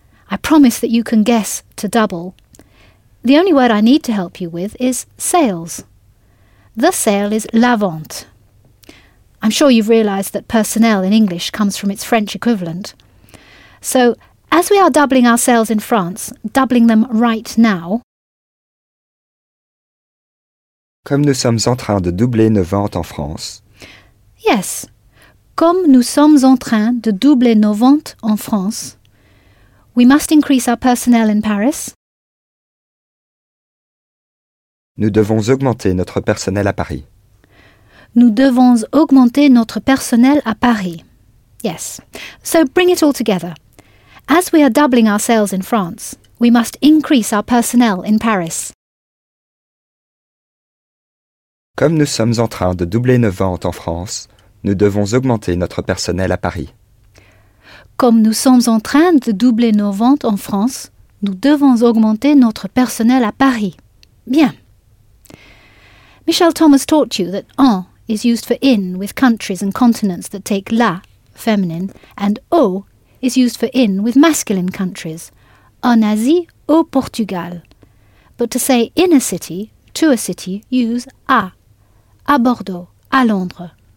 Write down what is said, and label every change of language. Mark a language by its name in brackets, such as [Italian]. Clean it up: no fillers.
[English] I promise that you can guess to double. The only word I need to help you with is sales. The sale is la vente. I'm sure you've realized that personnel in English comes from its French equivalent. So as we are doubling our sales in France, doubling them right now. [French] Comme nous sommes en train de doubler nos ventes en France. [English] Yes. [French] Comme nous sommes en train de doubler nos ventes en France. [English] We must increase our personnel in Paris. [French] Nous devons augmenter notre personnel à Paris. Nous devons augmenter notre personnel à Paris. [English] Yes. So bring it all together. As we are doubling our sales in France, we must increase our personnel in Paris. [French] Comme nous sommes en train de doubler nos ventes en France, nous devons augmenter notre personnel à Paris. Comme nous sommes en train de doubler nos ventes en France, nous devons augmenter notre personnel à Paris. Bien. [English] Michel Thomas taught you that en is used for in with countries and continents that take la, feminine, and au is used for in with masculine countries, [French] en Asie, au Portugal. [English] But to say in a city, to a city, use [French] à Bordeaux, à Londres.